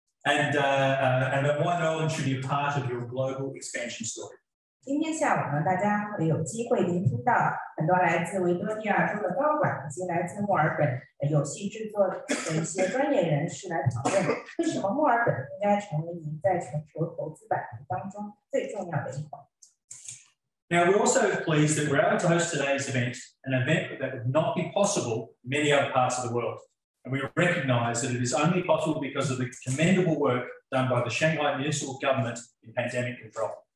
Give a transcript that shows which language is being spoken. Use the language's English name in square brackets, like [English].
[English] And that why Melbourne should be a part of your global expansion story. [Chinese] 今天下午呢，大家会有机会聆听到很多来自维多利亚州的高管以及来自墨尔本游戏制作的一些专业人士来讨论，为什么墨尔本应该成为您在全球投资版图当中最重要的一环。 [English] Now we're also pleased that we're able to host today's event, an event that would not be possible in many other parts of the world. And we recognize that it is only possible because of the commendable work done by the Shanghai Municipal Government in pandemic control.